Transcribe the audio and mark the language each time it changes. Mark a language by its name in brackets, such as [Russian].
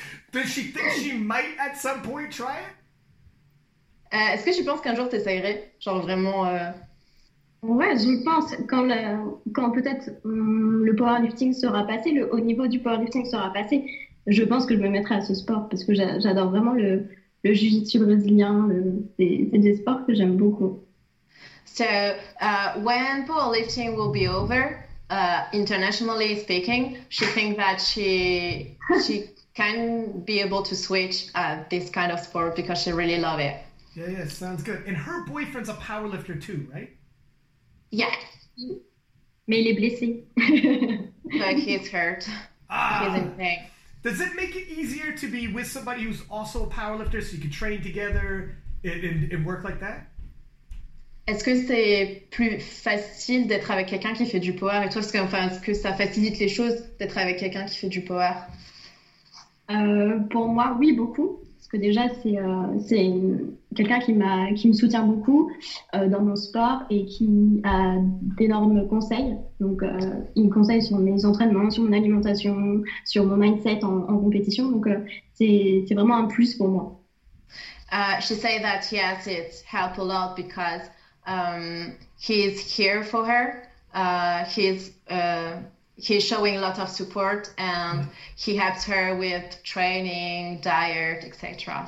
[English] Does she think she might at some point try it? [French] Est-ce que tu penses qu'un jour t'essayerais, genre vraiment? Ouais, je pense quand peut-être le powerlifting sera passé, le haut niveau du powerlifting sera passé, je pense que je me mettrai à ce sport, parce que j'adore vraiment le jiu-jitsu brésilien, c'est des sports que j'aime beaucoup. [English] So, when powerlifting will be over, internationally speaking, she thinks that she can be able to switch this kind of sport, because she really loves it. Yeah, sounds good. And her boyfriend's a powerlifter too, right? Yeah, [French] mais il est blessé. [English] Like, he's hurt. He's in pain. Does it make it easier to be with somebody who's also a powerlifter, so you can train together and work like that? [French] Est-ce que c'est plus facile d'être avec quelqu'un qui fait du power et toi? Parce que, enfin, est-ce que ça facilite les choses d'être avec quelqu'un qui fait du power? Pour moi, oui, beaucoup. Que déjà c'est quelqu'un qui me soutient beaucoup dans mon sport et qui a d'énormes conseils. Donc il me conseille sur mes entraînements, sur mon alimentation, sur mon mindset en compétition. Donc c'est vraiment un plus pour moi. [English] She said that yes, it helps a lot, because He's here for her. He's showing a lot of support, and he helps her with training, diet, etc.